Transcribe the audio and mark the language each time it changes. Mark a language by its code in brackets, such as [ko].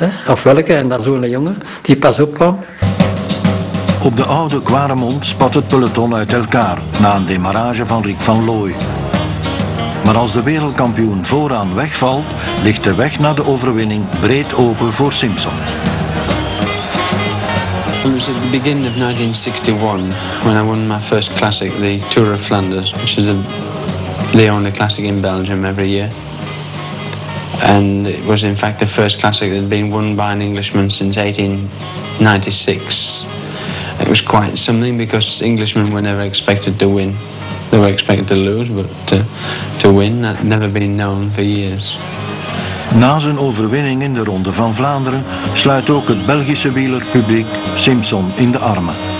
[nl] Hè? Of welke, en dan zo'n jongen die pas opkwam. Op de oude Quaremont spat het peloton uit elkaar na een demarrage van Rick Van Looy. Maar als de wereldkampioen vooraan wegvalt, ligt de weg naar de overwinning breed open voor Simpson. [en] It was at the beginning of 1961 when I won my first classic, the Tour of Flanders, which is the only classic in Belgium every year. And it was in fact the first classic that had been won by an Englishman since 1896. It was quite something because Englishmen were never expected to win. They were expected to lose, but to win, that had never been known for years. [nl] Na zijn overwinning in de Ronde van Vlaanderen sluit ook het Belgische wielerpubliek Simpson in de armen.